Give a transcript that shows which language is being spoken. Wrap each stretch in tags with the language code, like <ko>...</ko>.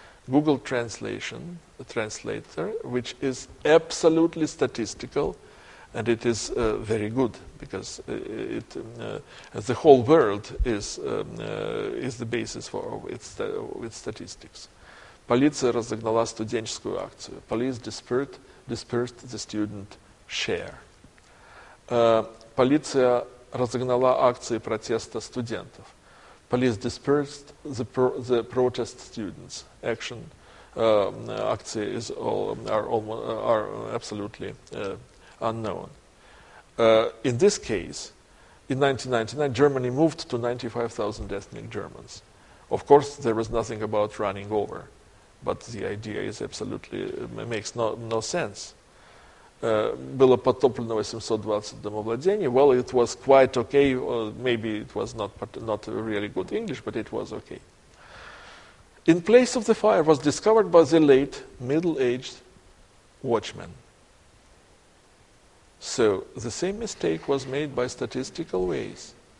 <en>Google Translation, the translator, which is absolutely statistical, and it is very good because it the whole world is the basis for its statistics.</en> <ru>Полиция разогнала студенческую акцию.</ru> <en>Police dispersed the student share.</en> <ru>Полиция разогнала акции протеста студентов.</ru> <en>Police dispersed the protest students. Action акции are absolutely unknown. In this case, in 1999, Germany moved to 95,000 ethnic Germans. Of course, there was nothing about running over. But the idea is absolutely makes no sense.</en> <ru>Было потоплено 820 домовладений.</ru> <en>Well, it was quite okay. Or maybe it was not really good English, but it was okay. In place of the fire was discovered by the late middle-aged watchman. So the same mistake was made by statistical ways.</en>